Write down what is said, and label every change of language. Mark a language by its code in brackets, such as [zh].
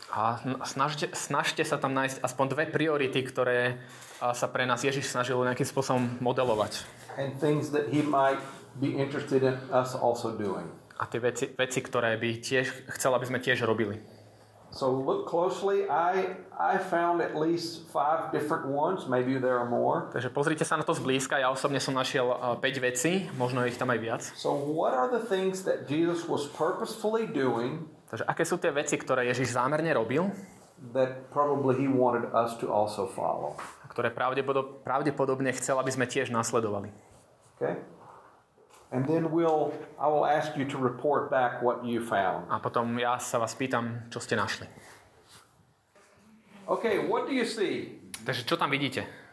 [sk] A snažte sa tam nájsť aspoň dve priority, ktoré sa pre nás Ježiš snažil nejakým spôsobom modelovať. [en] And things that he might be interested in us also doing. [sk] A tie veci, ktoré by tiež chcel, aby sme tiež robili. [en] So look closely. I found at least 5 different ones. Maybe there are more. [sk] Takže pozrite sa na to zblízka. Ja osobne som našiel 5 vecí. Možno ich tam aj viac. [en] So what are the things that Jesus was purposefully doing? [sk] Takže aké sú tie veci, ktoré Ježiš zámerne robil? [en] That probably he wanted us to also follow. [sk] A ktoré pravdepodobne chcel, aby sme tiež nasledovali. [en] Okay? And then I will ask you to report back what you found. [sk] A potom ja sa vás pýtam, čo ste našli. [en] Okay, what do you see? [sk] Takže čo tam vidíte?